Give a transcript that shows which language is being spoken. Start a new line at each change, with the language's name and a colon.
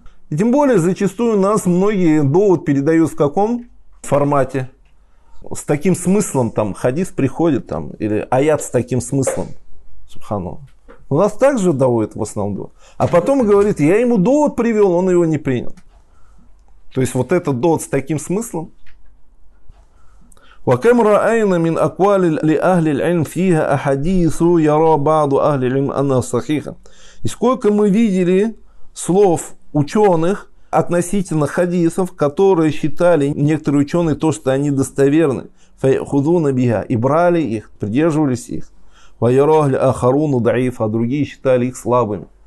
Russian: И тем более, зачастую у нас многие довод передают в каком формате? С таким смыслом, там, хадис приходит, там, или аят с таким смыслом. Субхану. У нас также доводит в основном довод. А потом говорит, я ему довод привел, он его не принял. То есть вот этот довод с таким смыслом.
Arabic: وكم رأينا من أقوال لأهل العلم فيها أحاديث يرى بعض أهل العلم أنها صحيحة.
Russian: И сколько мы видели слов ученых относительно хадисов, которые считали некоторые ученые то, что они достоверны,
Arabic: فيأخذون بها,
Russian: и брали их, придерживались их.
Arabic: ويرى الآخرون ضعيف,
Russian: а другие считали их слабыми.